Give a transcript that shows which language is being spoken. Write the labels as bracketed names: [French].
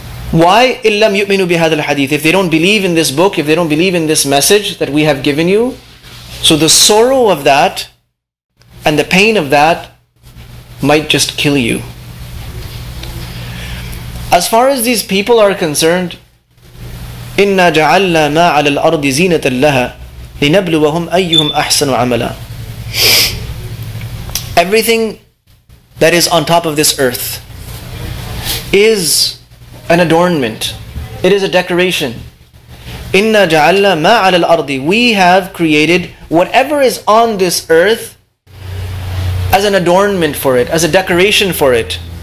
[Arabic] Why? إِلَّمْ يُؤْمِنُوا بِهَذَا الْحَدِيثِ. [English] If they don't believe in this book, if they don't believe in this message that we have given you, so the sorrow of that and the pain of that might just kill you. [Arabic] As far as these people are concerned, إِنَّا جَعَلْنَا مَا عَلَى الْأَرْضِ زِينَةً لَهَا لِنَبْلُوَهُمْ أَيُّهُمْ أَحْسَنُ عَمَلًا. [English] Everything that is on top of this earth is an adornment. [Arabic] It is a decoration. إِنَّا جَعَلْنَا مَا عَلَى الْأَرْضِ. [English] We have created whatever is on this earth as an adornment for it, as a decoration for it.